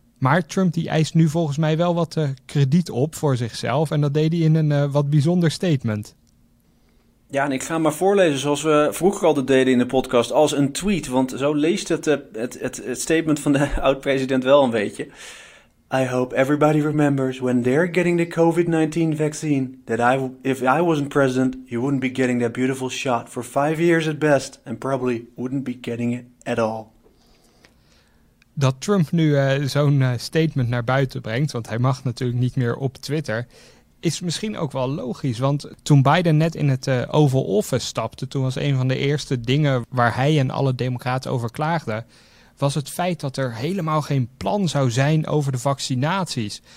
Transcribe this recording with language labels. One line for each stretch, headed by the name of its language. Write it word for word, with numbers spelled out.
Dutch: Maar Trump die eist nu volgens mij wel wat uh, krediet op voor zichzelf. En dat deed hij in een uh, wat bijzonder statement. Ja, en ik ga maar voorlezen zoals we vroeger altijd deden in de podcast als een tweet. Want zo leest het, uh, het, het, het statement van de oud-president wel een beetje.
English: I hope everybody remembers when they're getting the covid nineteen vaccine that I, if I wasn't president, you wouldn't be getting that beautiful shot for five years at best and probably wouldn't be getting it at all.
Dutch: Dat Trump nu uh, zo'n uh, statement naar buiten brengt, want hij mag natuurlijk niet meer op Twitter, is misschien ook wel logisch. Want toen Biden net in het uh, Oval Office stapte, toen was een van de eerste dingen waar hij en alle democraten over klaagden, was het feit dat er helemaal geen plan zou zijn over de vaccinaties.